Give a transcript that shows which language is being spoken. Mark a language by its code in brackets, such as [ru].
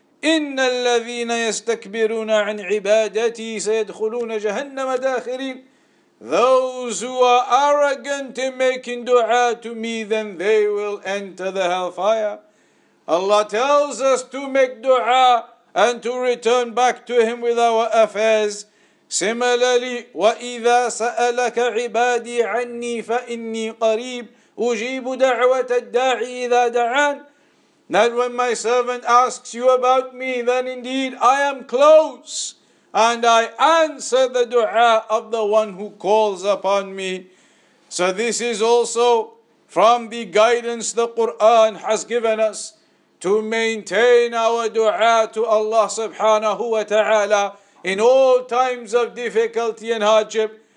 [ar] إِنَّ الَّذِينَ يَسْتَكْبِرُونَ عَنْ عِبَادَتِي سَيَدْخُلُونَ جَهَنَّمَ دَاخِرِينَ. [en] Those who are arrogant in making dua to me, then they will enter the hellfire. Allah tells us to make dua and to return back to him with our affairs. [ar] Similarly, وَإِذَا سَأَلَكَ عِبَادِي عَنِّي فَإِنِّي قَرِيبٌ أُجِيبُ دَعْوَةَ الدَّاعِي إِذَا دَعَانٌ. [en] That when my servant asks you about me, then indeed I am close, and I answer the dua of the one who calls upon me. So this is also from the guidance the Qur'an has given us to maintain our dua to Allah subhanahu wa ta'ala in all times of difficulty and hardship.